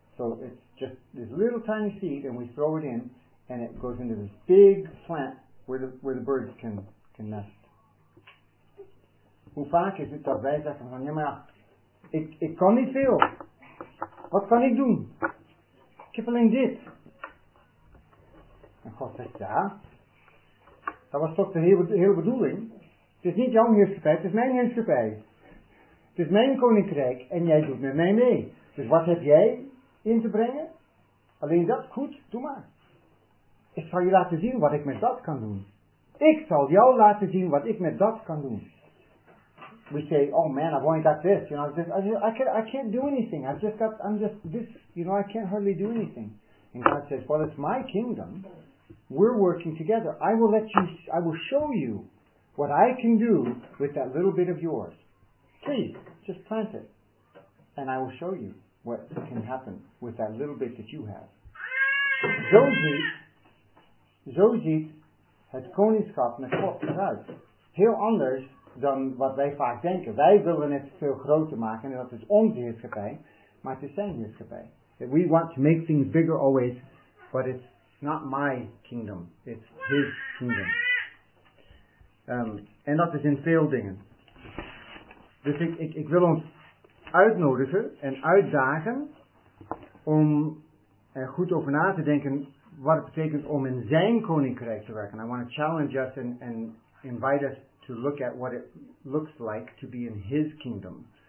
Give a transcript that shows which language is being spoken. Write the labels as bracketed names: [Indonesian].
[English] So it's just this little tiny seed, and we throw it in, and it goes into this big plant where the birds can nest. [Dutch] Hoe vaak is het dat wij zeggen van, ja maar ja, ik kan niet veel. Wat kan ik doen? Ik heb alleen dit. En God zegt, ja, dat was toch de hele bedoeling. Het is niet jouw heerschappij, het is mijn heerschappij. Het is mijn koninkrijk en jij doet met mij mee. Dus wat heb jij in te brengen? Alleen dat, goed, doe maar. Ik zal je laten zien wat ik met dat kan doen. Ik zal jou laten zien wat ik met dat kan doen. [English] We say, oh man, I've only got this. You know, I can't do anything. I can't hardly do anything. And God says, well, it's my kingdom. We're working together. I will show you what I can do with that little bit of yours. Please, just plant it. And I will show you what can happen with that little bit that you have. [Dutch] Zo ziet het koningschap met God eruit. Heel anders dan wat wij vaak denken. Wij willen het veel groter maken. En dat is onze heerschappij. Maar het is zijn heerschappij. [English] We want to make things bigger always. But it's not my kingdom. It's his kingdom. [Dutch] En dat is in veel dingen. Dus ik wil ons uitnodigen en uitdagen om er goed over na te denken wat het betekent om in zijn koninkrijk te werken. [English] I want to challenge us and invite us to look at what it looks like to be in his kingdom.